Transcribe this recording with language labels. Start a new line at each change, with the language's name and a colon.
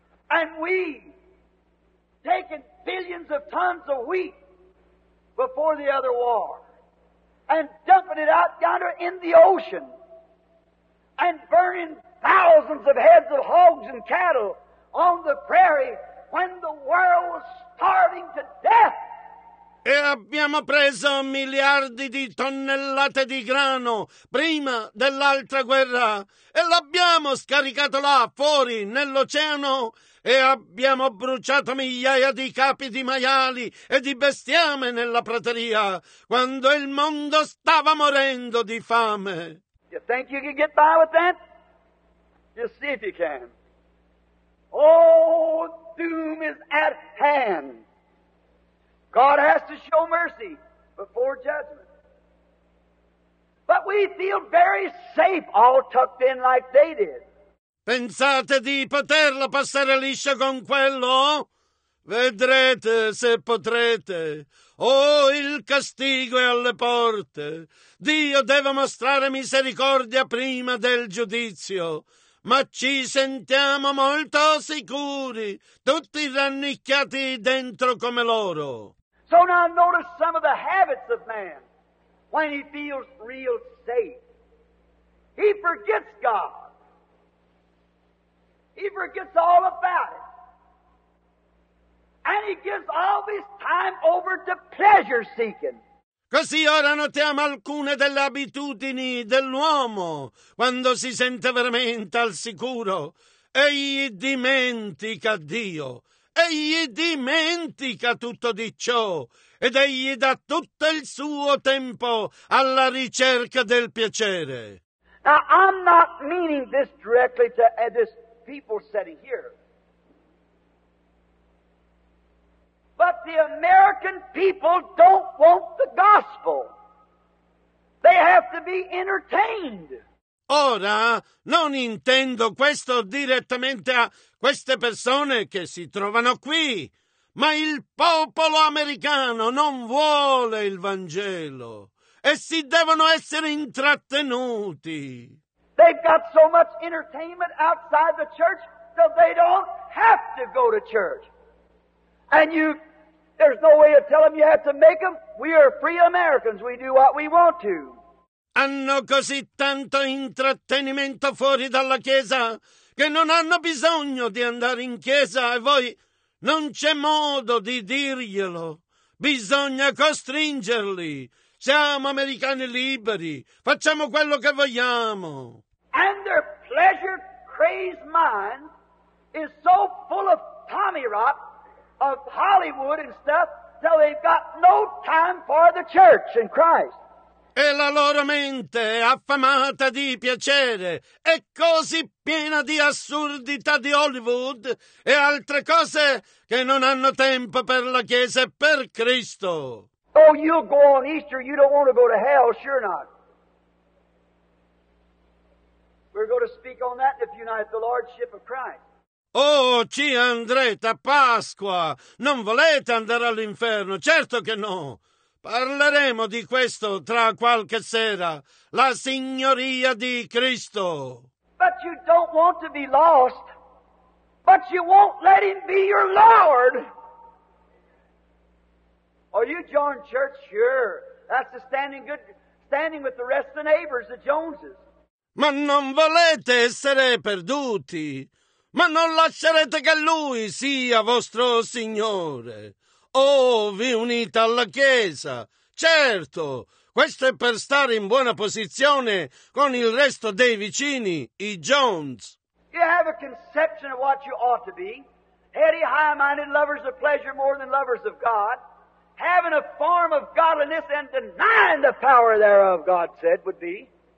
English: And we taking billions of tons of wheat before the other war and dumping it out yonder in the ocean and burning thousands of heads of hogs and cattle on the prairie when the world was starving to death.
Italian: E abbiamo preso miliardi di tonnellate di grano prima dell'altra guerra e l'abbiamo scaricato là fuori nell'oceano e abbiamo bruciato migliaia di capi di maiali e di bestiame nella prateria quando il mondo stava morendo di fame.
English: You think you can get by with that? Just see if you can. Oh, doom is at hand. God has to show mercy before judgment. But we feel very safe all tucked in like they did.
Italian: Pensate di poterla passare liscia con quello? Vedrete se potrete. Oh, il castigo è alle porte. Dio deve mostrare misericordia prima del giudizio. Ma ci sentiamo molto sicuri, tutti rannicchiati dentro come loro.
English: So now notice some of the habits of man when he feels real safe. He forgets God. He forgets all about it. And he gives all his time over to pleasure seeking.
Italian: Così ora notiamo alcune delle abitudini dell'uomo quando si sente veramente al sicuro. Egli dimentica Dio. Egli dimentica tutto di ciò ed egli dà tutto il suo tempo alla ricerca del piacere.
English: Now, I'm not meaning this directly to this people sitting here. But the American people don't want the gospel. They have to be entertained.
Italian: Ora, non intendo questo direttamente a queste persone che si trovano qui, ma il popolo americano non vuole il Vangelo e si devono essere intrattenuti.
English: They've got so much entertainment outside the church that they don't have to go to church. And you, there's no way to tell them you have to make them. We are free Americans. We do what we want to.
Italian: Hanno così tanto intrattenimento fuori dalla chiesa che non hanno bisogno di andare in chiesa e voi non c'è modo di dirglielo. Bisogna costringerli. Siamo americani liberi. Facciamo quello che vogliamo.
English: And their pleasure-crazed mind is so full of Tommy Rot, of Hollywood and stuff, so they've got no time for the church and Christ.
Italian: E la loro mente è affamata di piacere, è così piena di assurdità di Hollywood e altre cose che non hanno tempo per la Chiesa e per Cristo.
English: Oh, you'll go on Easter, you don't want to go to hell, sure not. We're going to speak on that if you unite the Lordship of Christ.
Italian: Oh, ci andrete a Pasqua! Non volete andare all'inferno? Certo che no! Parleremo di questo tra qualche sera. La Signoria di Cristo!
English: But you don't want to be lost. But you won't let him be your Lord! Are you joined church? Sure. That's the standing good, standing with the rest of the neighbors, the Joneses.
Italian: Ma non volete essere perduti? Ma non lascerete che Lui sia vostro Signore? Oh, vi unite alla Chiesa! Certo, questo è per stare in buona posizione con il resto dei vicini, i Jones.
English: You have a conception of what you ought to be. Heady, high-minded, lovers of pleasure more than lovers of God. Having a form of godliness and denying the power thereof, God said, would be.